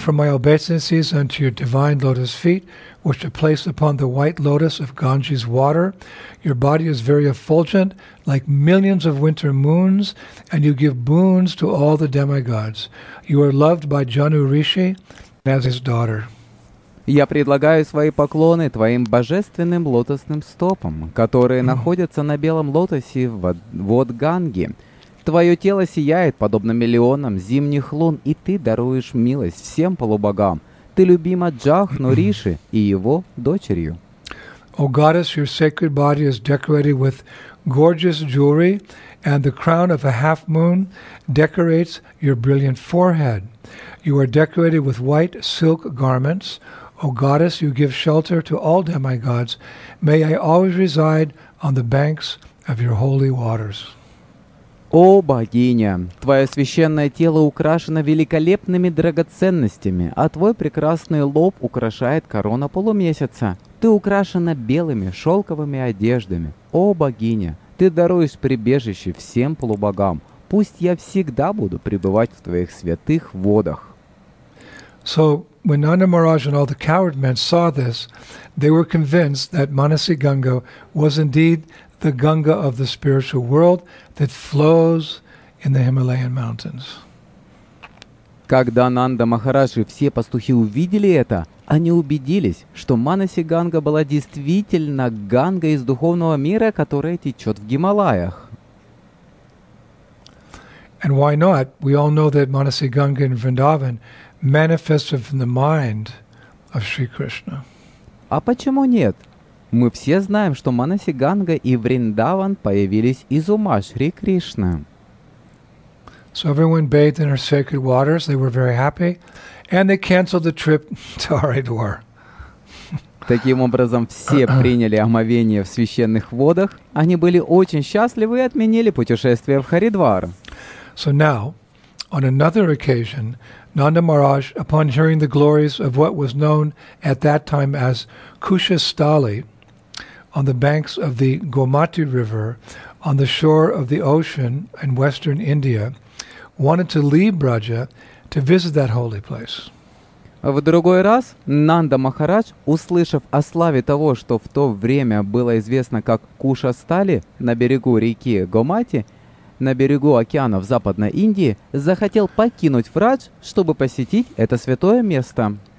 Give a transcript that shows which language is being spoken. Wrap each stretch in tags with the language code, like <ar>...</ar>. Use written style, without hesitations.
<en>I offer my obeisances unto your divine lotus feet, which are placed upon the white lotus of Ganges water. Your body is very effulgent, like millions of winter moons, and you give boons to all the demigods. You are loved by Janu Rishi as his daughter.</en> <ru>Я предлагаю свои поклоны твоим божественным лотосным стопам, которые находятся на белом лотосе вод Ганги. Твое тело сияет, подобно миллионам зимних лун, и ты даруешь милость всем полубогам. Ты любима Джахну Риши и его дочерью.</ru> <en>O goddess, your sacred body is decorated with gorgeous jewelry, and the crown of a half moon decorates your brilliant forehead. You are decorated with white silk garments. O goddess, you give shelter to all demigods. May I always reside on the banks of your holy waters.</en> <ru>О, богиня, твое священное тело украшено великолепными драгоценностями, а твой прекрасный лоб украшает корона полумесяца. Ты украшена белыми шелковыми одеждами. О, богиня, ты даруешь прибежище всем полубогам. Пусть я всегда буду пребывать в твоих святых водах.</ru> <en>So, when Nanda Maharaj and all the coward men saw this, they were convinced that Manasi Ganga was indeed the Ganga of the spiritual world that flows in the Himalayan mountains.</en> <ru>Когда Нанда Махарадж и все пастухи увидели это, они убедились, что Манаси Ганга была действительно Ганга из духовного мира, которая течет в Гималаях.</ru> <en>And why not? We all know that Manasi Ganga in Vrindavan manifested from the mind of Sri Krishna.</en> <ru>А почему нет? Мы все знаем, что Манаси Ганга и Вриндаван появились из ума Шри Кришны.</ru> <en>So everyone bathed in her sacred waters. They were very happy, and they canceled the trip to Haridwar.</en> <ru>Таким образом, все приняли омовение в священных водах. Они были очень счастливы и отменили путешествие в Харидвар.</ru> <en>So now, on another occasion, Nanda Maharaj, upon hearing the glories of what was known at that time as Kushastali, on the banks of the Gomati River, on the shore of the ocean in western India, wanted to leave Braja to visit that holy place.</en> <ru>В другой раз Нанда Махарадж, услышав о славе того, что в то время было известно как Кушастали, на берегу реки Гомати, на берегу океана в Западной Индии, захотел покинуть Врадж, чтобы посетить это святое место.</ru>